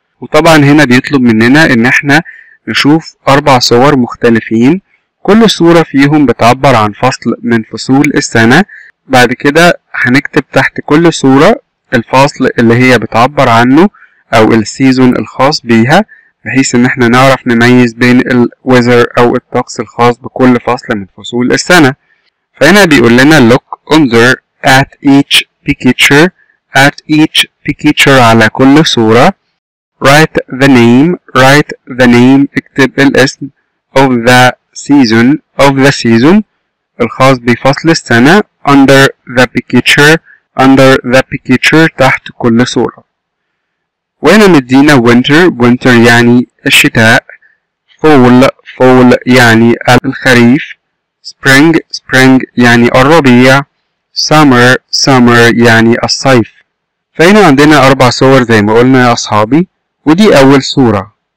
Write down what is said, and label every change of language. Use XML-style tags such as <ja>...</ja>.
<ar>وطبعا هنا بيطلب مننا إن احنا نشوف أربع صور مختلفين, كل صورة فيهم بتعبر عن فصل من فصول السنة, بعد كده هنكتب تحت كل صورة الفصل اللي هي بتعبر عنه او السيزون الخاص بيها، بحيث ان احنا نعرف نميز بين الويزر او الطقس الخاص بكل فصل من فصول السنة. فهنا بيقول لنا</ar> <en>look under at each picture، at each picture</en> <ar>على كل صورة،</ar> <en>write the name</en> <ar>اكتب الاسم،</ar> <en>of the season</en> <ar>الخاص بفصل السنة،</ar> <en>under the picture</en> <ar>تحت كل صورة. وهنا مدينا winter يعني الشتاء، fall يعني الخريف، spring يعني الربيع، summer يعني الصيف. فهنا عندنا اربع صور زي ما قلنا يا اصحابي، ودي اول صورة.</ar>